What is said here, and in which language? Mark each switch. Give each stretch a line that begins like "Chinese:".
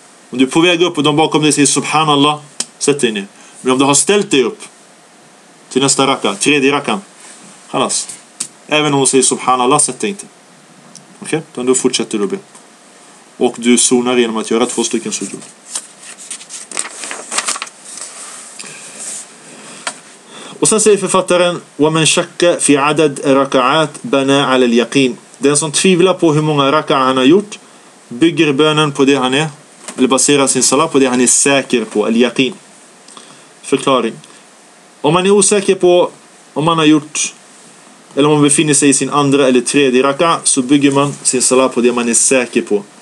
Swedish: Om du är på väg upp och de bakom dig säger subhanallah, sätt dig ner. Men om du har ställt dig upp till nästa raka, tredje rakan, halas. Även om du säger subhanallah, sätt dig inte. Okej? Okay? Då fortsätter du be. Och du sonar genom att göra två stycken sujud. Och sen säger författaren,
Arabic: وَمَنْ شَكَّ فِي عَدَدْ رَكَعَاتْ بَنَا عَلَى الْيَقِينَ.
Swedish: Den som tvivlar på hur många raka'a han har gjort, bygger bönen på det han är, eller baserar sin salat på det han är säker på, al-yaqin. Förklaring. Om man är osäker på om man har gjort, eller om man befinner sig i sin andra eller tredje raka, så bygger man sin salat på det man är säker på.